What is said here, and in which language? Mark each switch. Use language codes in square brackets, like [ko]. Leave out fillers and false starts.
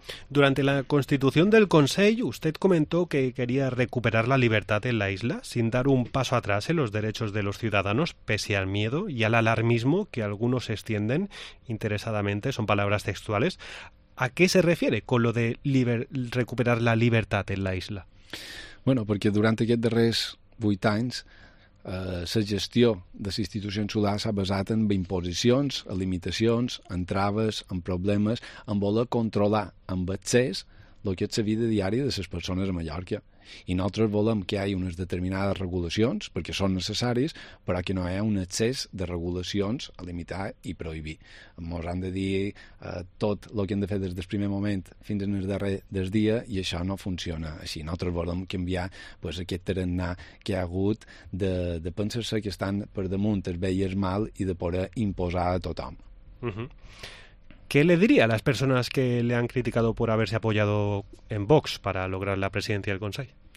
[es] Durante la constitución del Consell, usted comentó que quería recuperar la libertad en la isla sin dar un paso atrás en los derechos de los ciudadanos, pese al miedo y al alarmismo que algunos extienden interesadamente, son palabras textuales, ¿A qué se refiere con lo de recuperar la libertad en la isla? [ca] Bueno, perquè durant aquests darrers 8 anys la gestió de les institucions solars s'ha basat en imposicions, en limitacions, en traves, en problemes, en voler controlar amb excés el que és la vida diària de les persones a Mallorca. I nosaltres volem que hi hagi unes determinades regulacions, perquè són necessaris, però que no hi ha un excés de regulacions a limitar i prohibir. Ens han de dir tot el que hem de fer des del primer moment fins en el darrer del dia, i això no funciona així. Nosaltres volem canviar pues, aquest tarannà que hi ha hagut de pensar-se que estan per damunt el bé i el mal i de poder imposar a tothom. Uh-huh. [es] ¿Qué le diría a las personas que le han criticado por haberse apoyado en Vox para lograr la presidencia del Consejo?